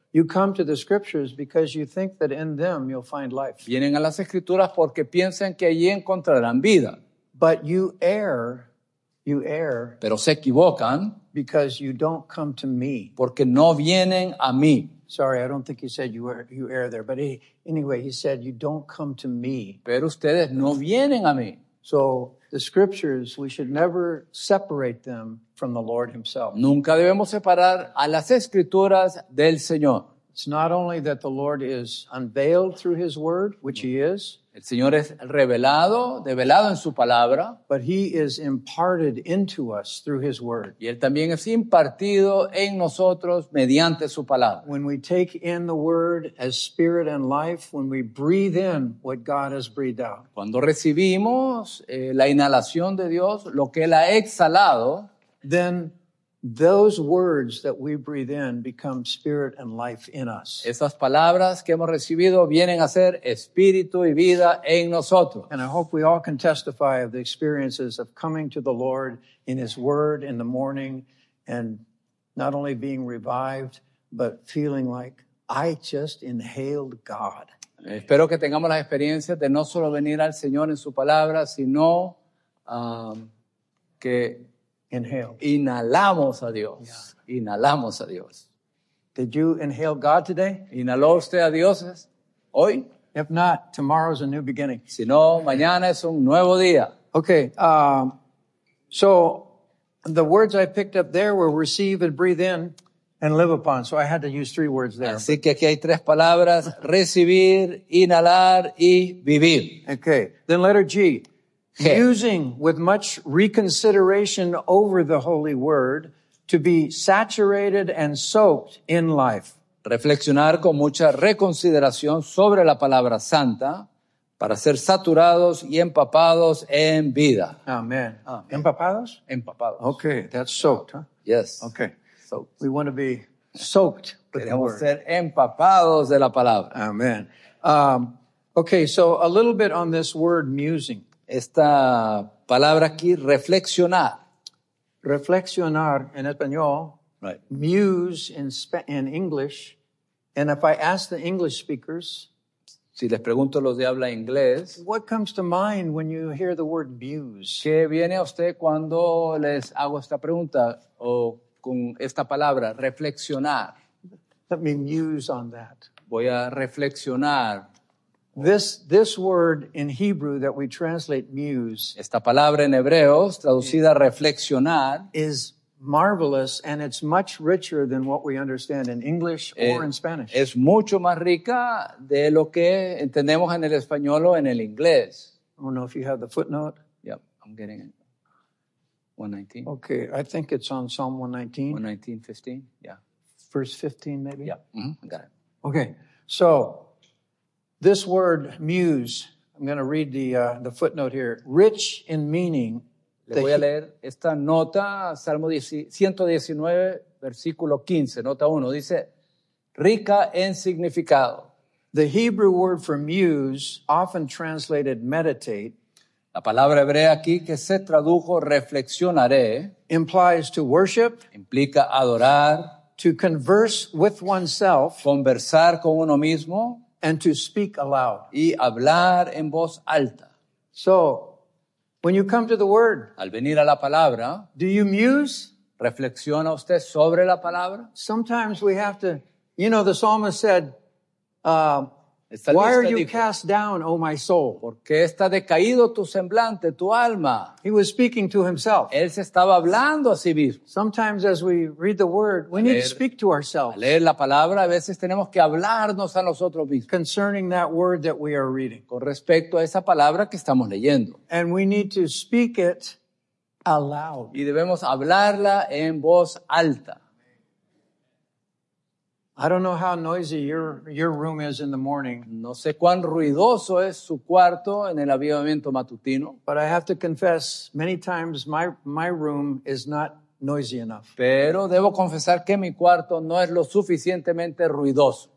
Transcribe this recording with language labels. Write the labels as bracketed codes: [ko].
[en] You come to the scriptures because you think that in them you'll find life. [es] Vienen a las escrituras porque piensan que allí encontrarán vida. [en] But you err. [es] Pero se equivocan. [en] Because you don't come to me. [es] Porque no vienen a mí. [en] Sorry, I don't think he said you err there. But he said you don't come to me. [es] Pero ustedes no vienen a mí. [en] So the scriptures, we should never separate them from the Lord himself. [es] Nunca debemos separar a las escrituras del Señor. [en] It's not only that the Lord is unveiled through his word, which he is. [es] El Señor es revelado, develado en su palabra. [en] But he is imparted into us through his word. [es] Y él también es impartido en nosotros mediante su palabra. [en] When we take in the word as spirit and life, when we breathe in what God has breathed out. [es] Cuando recibimos la inhalación de Dios, lo que él ha exhalado. [en] Then those words that we breathe in become spirit and life in us. [es] Esas palabras que hemos recibido vienen a ser espíritu y vida en nosotros. [en] And I hope we all can testify of the experiences of coming to the Lord in His Word in the morning and not only being revived, but feeling like I just inhaled God. [es] Espero que tengamos las experiencias de no solo venir al Señor en su palabra, sino que inhalamos a Dios. [en] Yeah. [es] Inhalamos a Dios. [en] Did you inhale God today? [es] ¿Inhaló usted a Dios? hoy. [en] If not, tomorrow's a new beginning. [es] Si no, mañana es un nuevo día. [en] Okay. So the words I picked up there were receive and breathe in and live upon. So I had to use three words there. [es] Así que aquí hay tres palabras: recibir, inhalar y vivir. [en] Okay. Then letter G. Using with much reconsideration over the Holy Word to be saturated and soaked in life. [es] Reflexionar con mucha reconsideración sobre la palabra santa para ser saturados y empapados en vida. Amen. ¿Empapados? Empapados. [en] Okay, that's soaked, huh? Yes. Okay. Soaked. We want to be soaked with [es] Queremos [en] the word. [es] Queremos ser empapados de la palabra. [en] Amen. Okay, so a little bit on this word musing. [es] Esta palabra aquí, reflexionar. Reflexionar en español. [en] Right. Muse in English. And if I ask the English speakers. [es] Si les pregunto los de habla inglés. [en] What comes to mind when you hear the word muse? [es] ¿Qué viene a usted cuando les hago esta pregunta? O con esta palabra, reflexionar. [en] Let me muse on that. [es] Voy a reflexionar. [en] This word in Hebrew that we translate muse. [es] Esta palabra en hebreo, traducida reflexionar. [en] Is marvelous and it's much richer than what we understand in English or in Spanish. [es] Es mucho más rica de lo que entendemos en el español o en el inglés. [en] I don't know if you have the footnote. Yep, I'm getting it. 119. Okay, I think it's on Psalm 119. 119:15, yeah. Verse 15 maybe? Yeah, mm-hmm. I got it. Okay, so this word muse, I'm going to read the footnote here. Rich in meaning. [es] Le voy a leer esta nota, Salmo 119, versículo 15, nota 1. Dice, rica en significado. [en] The Hebrew word for muse, often translated meditate. [es] La palabra hebrea aquí que se tradujo reflexionaré. [en] Implies to worship. [es] Implica adorar. [en] To converse with oneself. [es] Conversar con uno mismo. [en] And to speak aloud. [es] Y hablar en voz alta. [en] So, when you come to the word, [es] al venir a la palabra, [en] do you muse? [es] ¿Reflexiona usted sobre la palabra? [en] Sometimes we have to, you know, the psalmist said, why are you cast down, O my soul? [es] ¿Por qué está decaído tu semblante, tu alma? [en] He was speaking to himself. [es] Él se estaba hablando a sí mismo. [en] Sometimes as we read the word, we need to speak to ourselves. [es] Al leer la palabra, a veces tenemos que hablarnos a nosotros mismos. [en] Concerning that word that we are reading. [es] Con respecto a esa palabra que estamos leyendo. [en] And we need to speak it aloud. [es] Y debemos hablarla en voz alta. [en] I don't know how noisy your room is in the morning. [es] No sé cuán ruidoso es su cuarto en el avivamiento matutino. [en] But I have to confess, many times my room is not noisy enough. [es] Pero debo confesar que mi cuarto no es lo suficientemente ruidoso.